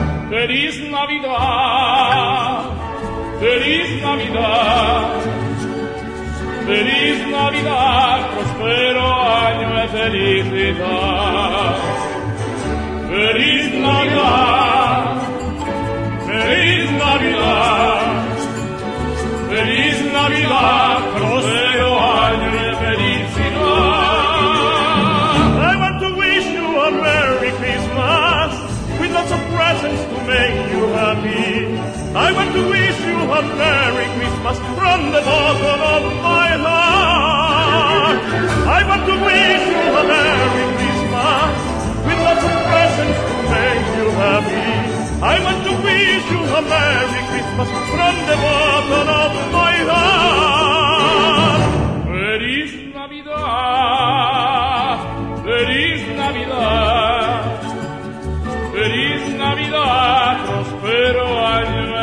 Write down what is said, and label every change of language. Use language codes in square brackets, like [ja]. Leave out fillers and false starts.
[es] Feliz Navidad, Feliz Navidad, Feliz Navidad, prospero año de felicidad. Feliz Navidad, Feliz Navidad, Feliz Navidad, prospero año de felicidad. [en] I want to wish you a Merry Christmas, with lots of presents to make you happy. I want to wish you a Merry Christmas from the bottom of my heart. I want to wish you a Merry Christmas with lots of presents to make you happy. I want to wish you a Merry Christmas from the bottom of my heart. [es] Feliz Navidad, Feliz Navidad, Feliz Navidad, prospero año.